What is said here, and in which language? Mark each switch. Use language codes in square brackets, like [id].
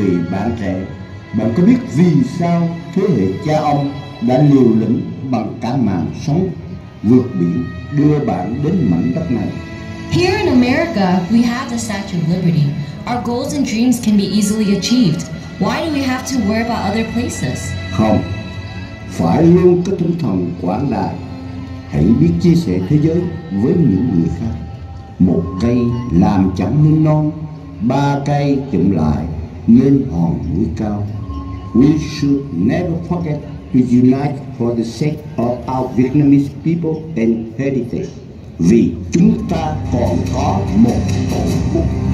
[vi] bạn trẻ, bạn có biết vì sao thế hệ cha ông đã liều lĩnh bằng cả mạng sống vượt biển đưa bạn đến mảnh đất này? [en] Here in America, we have the Statue of Liberty. Our goals and dreams can be easily achieved. Why do we have to worry about other places? [vi] Không, phải luôn có tinh thần quảng đại. Hãy biết chia sẻ thế giới với những người khác. Một cây làm chẳng nên non, ba cây chụm lại nên hòn núi cao. [en] We should never forget to unite for the sake of our Vietnamese people and heritage. [vi] Vì chúng ta còn có một tổ quốc.